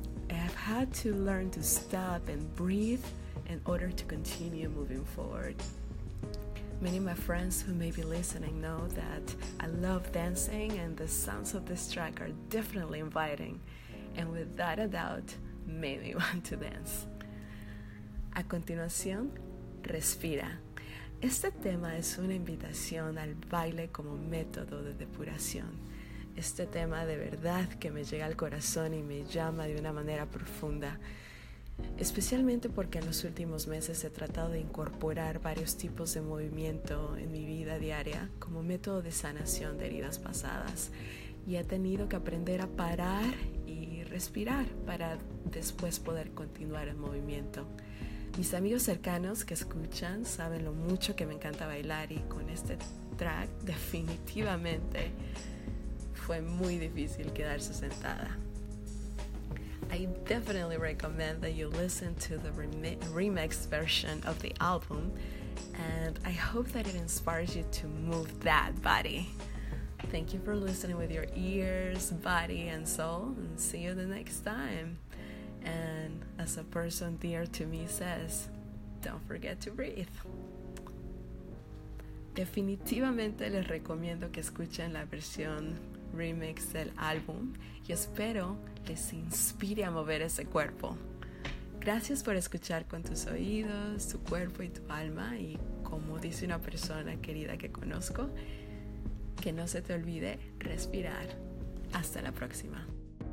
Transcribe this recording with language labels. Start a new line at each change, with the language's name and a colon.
English: I have had to learn to stop and breathe in order to continue moving forward. Many of my friends who may be listening know that I love dancing, and the sounds of this track are definitely inviting, and without a doubt, made me want to dance.
Spanish: A continuación, respira. Este tema es una invitación al baile como método de depuración. Este tema de verdad que me llega al corazón y me llama de una manera profunda, especialmente porque en los últimos meses he tratado de incorporar varios tipos de movimiento en mi vida diaria como método de sanación de heridas pasadas, y he tenido que aprender a parar y respirar para después poder continuar el movimiento. Mis amigos cercanos que escuchan saben lo mucho que me encanta bailar, y con este track definitivamente fue muy difícil quedarse sentada.
English: I definitely recommend that you listen to the remix version of the album, and I hope that it inspires you to move that body. Thank you for listening with your ears, body, and soul, and see you the next time. And as a person dear to me says, don't forget to breathe.
Spanish: Definitivamente les recomiendo que escuchen la versión remix del álbum, y espero les inspire a mover ese cuerpo. Gracias por escuchar con tus oídos, tu cuerpo y tu alma, y como dice una persona querida que conozco, que no se te olvide respirar. Hasta la próxima.